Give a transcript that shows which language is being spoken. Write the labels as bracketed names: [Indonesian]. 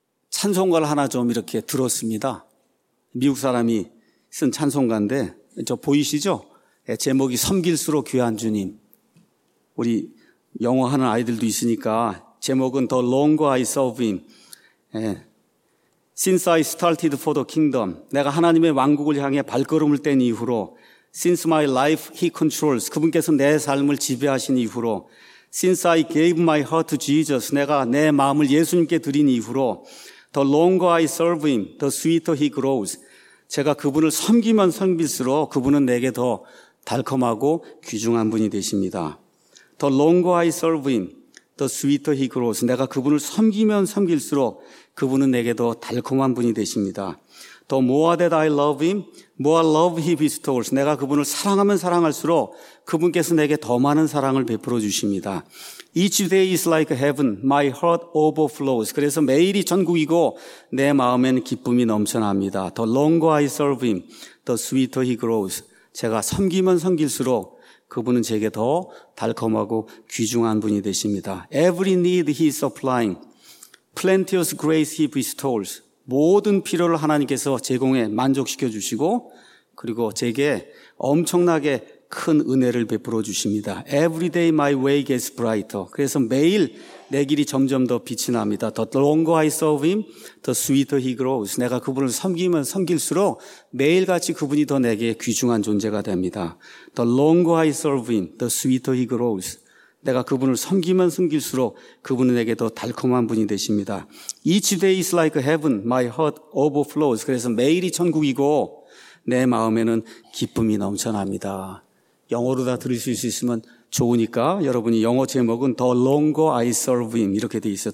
[Korean] 찬송가를 하나 좀 이렇게 들었습니다. 미국 사람이 쓴 찬송가인데 저 보이시죠? 제목이 섬길수록 귀한 주님. 우리 영어하는 아이들도 있으니까 제목은 The Longer I Serve Him. 예. [English] Since I started for the kingdom. [Korean] 내가 하나님의 왕국을 향해 발걸음을 뗀 이후로 [English] Since my life he controls. [Korean] 그분께서 내 삶을 지배하신 이후로 [English] Since I gave my heart to Jesus. [Korean] 내가 내 마음을 예수님께 드린 이후로 [English] The longer I serve him, the sweeter he grows. [Korean] 제가 그분을 섬기면 섬길수록 그분은 내게 더 달콤하고 귀중한 분이 되십니다. [English] The longer I serve him, the sweeter he grows. [Korean] 내가 그분을 섬기면 섬길수록 그분은 내게 더 달콤한 분이 되십니다. [English] The more that I love him, more love he bestows. [Korean] 내가 그분을 사랑하면 사랑할수록 그분께서 내게 더 많은 사랑을 베풀어 주십니다. [English] Each day is like heaven. My heart overflows. [Korean] 그래서 매일이 천국이고 내 마음엔 기쁨이 넘쳐납니다. [English] The longer I serve him, the sweeter he grows. [Korean] 제가 섬기면 섬길수록 그분은 제게 더 달콤하고 귀중한 분이 되십니다. [English] Every need he is supplying. Plenteous grace he bestows. [Korean] 모든 필요를 하나님께서 제공해 만족시켜 주시고 그리고 제게 엄청나게 큰 은혜를 베풀어 주십니다. [English] Every day my way gets brighter. [Korean] 그래서 매일 내 길이 점점 더 빛이 납니다. [English] The longer I serve him, the sweeter he grows. [Korean] 내가 그분을 섬기면 섬길수록 매일같이 그분이 더 내게 귀중한 존재가 됩니다. [English] The longer I serve him, the sweeter he grows. [Korean] 내가 그분을 섬기면 섬길수록 그분은 내게 더 달콤한 분이 되십니다. [English] Each day is like heaven. My heart overflows. [Korean] 그래서 매일이 천국이고 내 마음에는 기쁨이 넘쳐납니다. 영어로 다 들으실 수 있으면 좋으니까 여러분이 영어 제목은 The Longer I Serve Him 이렇게 돼 있어요.